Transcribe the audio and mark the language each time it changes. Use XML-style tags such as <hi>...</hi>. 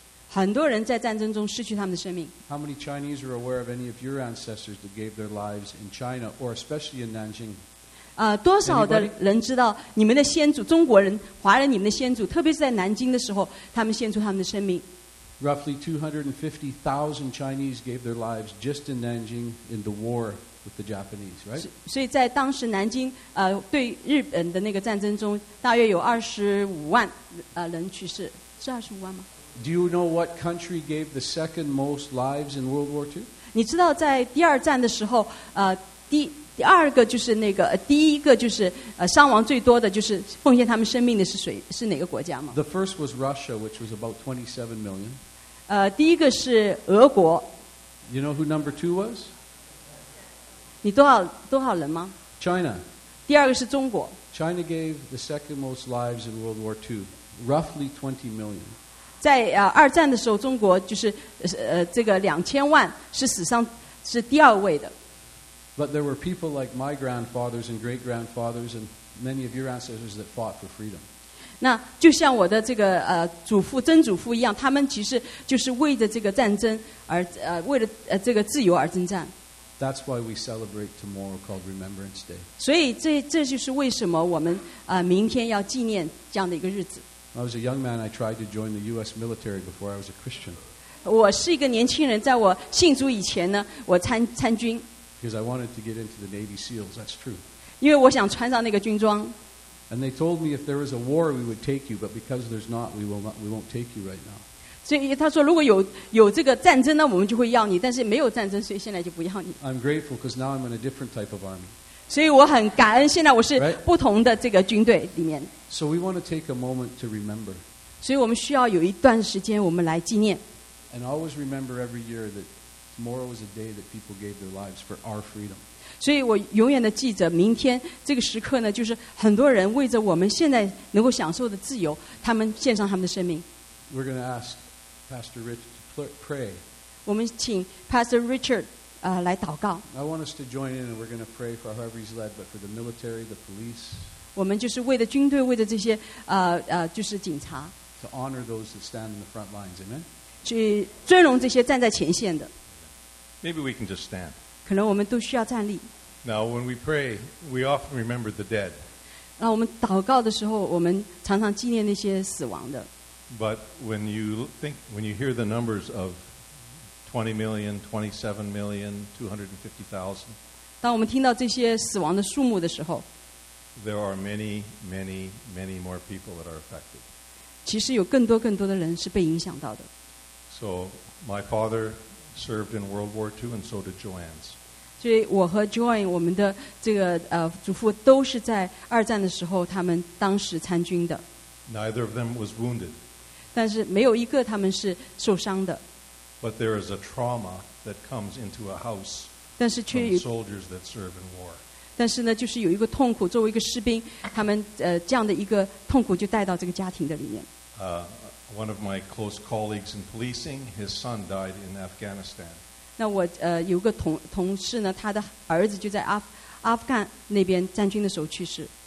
<zh>很多人在战争中失去他们的生命。</zh> <en>How many Chinese are aware of any of your ancestors that gave their lives in China or especially in Nanjing?</en> <zh>多少的人知道你们的先祖，中国人、华人，你们的先祖，特别是在南京的时候，他们献出他们的生命。</zh> <en>Roughly 250,000 Chinese gave their lives just in Nanjing in the war with the Japanese, right?</en> <zh>所以在当时南京对日本的那个战争中，大约有25万人去世，是25万吗</zh> <en>？Do you know what country gave the second most lives in World War II?</en> <zh>你知道在第二战的时候，第二个就是那个，第一个就是伤亡最多的就是奉献他们生命的是哪个国家吗</zh> <en>？The first was Russia, which was about 27 million.</en> <zh>第一个是俄国。</zh> <en>You know who number two was?</en> <zh>你多少人吗</zh> <en>？China.</en> <zh>第二个是中国。</zh> <en>China gave the second most lives in World War II, roughly 20 million.</en> <zh>在二战的时候，中国就是这个2000万是史上是第二位的。</zh> <en>But there were people like my grandfathers and great-grandfathers and many of your ancestors that fought for freedom.</en> <zh>那就像我的这个祖父、曾祖父一样，他们其实就是为着这个战争而为了这个自由而征战。</zh> <en>That's why we celebrate tomorrow called Remembrance Day.</en> <zh>所以这就是为什么我们明天要纪念这样的一个日子。</zh> <en>I was a young man. I tried to join the U.S. military before I was a Christian.</en> <zh>我是一个年轻人，在我信主以前呢，我参军。</zh> <en>Because I wanted to get into the Navy SEALs, that's true.</en> <zh>因为我想穿上那个军装。</zh> <en>And they told me if there was a war, we would take you, but because there's not, we won't take you right now.</en> <zh>所以他说，如果有这个战争呢，我们就会要你，但是没有战争，所以现在就不要你。</zh> <en>I'm grateful because now I'm in a different type of army.</en> <zh>所以我很感恩，现在我是不同的这个军队里面。</zh> <en>So we want to take a moment to remember.</en> <zh>所以我们需要有一段时间，我们来纪念。</zh> <en>And always remember every year that. Tomorrow was a day that people gave their lives for our freedom.</en> <zh>所以我永远的记着，明天这个时刻呢，就是很多人为着我们现在能够享受的自由，他们献上他们的生命。</zh> <en>We're going to ask Pastor Rich to pray.</en> <zh>我们请 Pastor Richard 来祷告。</zh> <en>I want us to join in, and we're going to pray for whoever he's led, but for the military, the police.</en> <zh>我们就是为了军队，为了这些就是警察。</zh> <en>To honor those that stand in the front lines, amen.</en> <zh>去尊荣这些站在前线的。</zh> <en>Maybe we can just stand.</en> <zh>可能我们都需要站立。</zh> <en>Now, when we pray, we often remember the dead.</en> <zh>那我们祷告的时候，我们常常纪念那些死亡的。</zh> <en>But when you hear the numbers of 20 million, 27 million, 250,000,</en> <zh>当我们听到这些死亡的数目的时候，</zh> <en>there are many, many, many more people that are affected.</en> <zh>其实有更多更多的人是被影响到的。</zh> <en>So, my father. Served in World War II, and so did Joanne's.</en> <zh>所以我和 Joanne 我们的这个祖父都是在二战的时候，他们当时参军的。</zh> <en>Neither of them was wounded.</en> <zh>但是没有一个他们是受伤的。</zh> <en>But there is a trauma that comes into a house.</en> <zh>但是却有</zh> <en>soldiers that serve in war.</en> <zh>但是呢，就是有一个痛苦，作为一个士兵，他们这样的一个痛苦就带到这个家庭的里面。</zh> <en>One of my close colleagues in policing, his son died in Afghanistan.</en> <zh>那我有个同事呢，他的儿子就在阿富汗那边战军的时候去世。</zh>